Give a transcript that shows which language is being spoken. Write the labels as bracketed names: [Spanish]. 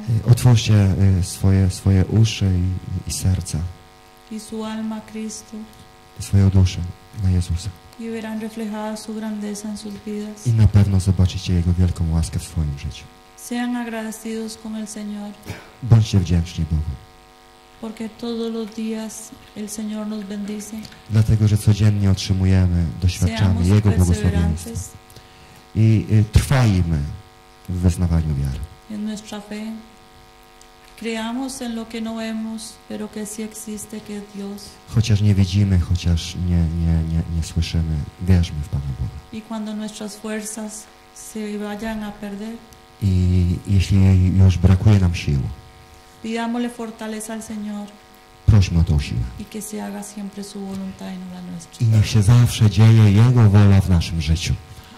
[Polish] Otwórzcie swoje uszy i serca. [Spanish] I su alma Cristo. [Polish] Swoją duszę na Jezusa. [Spanish] Y verán reflejada su grandeza en sus vidas. [Polish] I na pewno zobaczycie Jego wielką łaskę w swoim życiu. [Spanish] Sean agradecidos con el Señor. [Polish] Bądźcie wdzięczni Bogu. [Spanish] Porque todos los días el Señor nos bendice. [Polish] Dlatego, że codziennie otrzymujemy, doświadczamy Jego błogosławieństwa. I trwajmy w wyznawaniu wiary. [Spanish] En nuestra fe. Creamos en lo que no vemos, pero que sí existe, que es Dios. [Polish] Chociaż nie widzimy, chociaż nie słyszymy, wierzmy w Pana Boga. [Spanish] Y cuando nuestras fuerzas se vayan a perder. [Polish] I jeśli już brakuje nam sił. [Spanish] Pidámosle fortaleza al Señor. [Polish] Prośmy o tą siłę. [Spanish] Y que se haga siempre su voluntad en la nuestra. [Polish] I niech się zawsze dzieje Jego wola w naszym życiu.